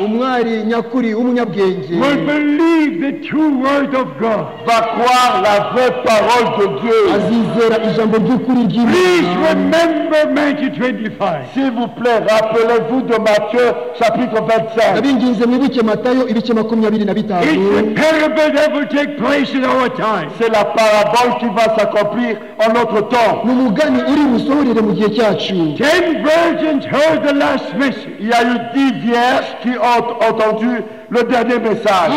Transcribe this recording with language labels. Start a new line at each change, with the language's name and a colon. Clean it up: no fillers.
English: will believe the true word of God,
French: va croire la vraie parole de Dieu.
English: Please remember Matthew 25.
French: S'il vous plaît, rappelez-vous de Matthieu chapitre 25.
English: It's the parable that will take place in our time.
French: C'est la parabole qui va s'accomplir en notre temps.
English: 10 virgins heard the last message.
French: Il y a eu 10 vierges qui ont entendu le dernier message.